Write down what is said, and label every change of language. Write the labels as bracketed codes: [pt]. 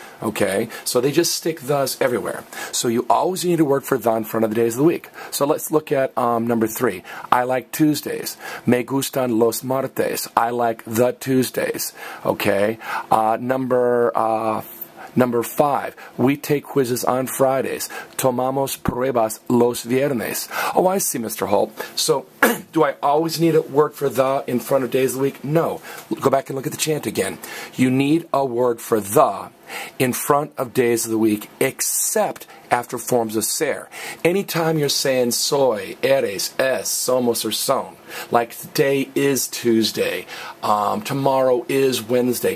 [en] Okay, so they just stick thus everywhere. So you always need a word for the in front of the days of the week. So let's look at number three. I like Tuesdays. [es] Me gustan los martes. [en] I like the Tuesdays. Okay, number five. We take quizzes on Fridays. [es] Tomamos pruebas los viernes. [en] Oh, I see, Mr. Holt. So do I always need a word for the in front of days of the week? No. Go back and look at the chant again. You need a word for the in front of days of the week, except after forms of ser. Anytime you're saying soy, eres, es, somos, or son, like today is Tuesday, tomorrow is Wednesday.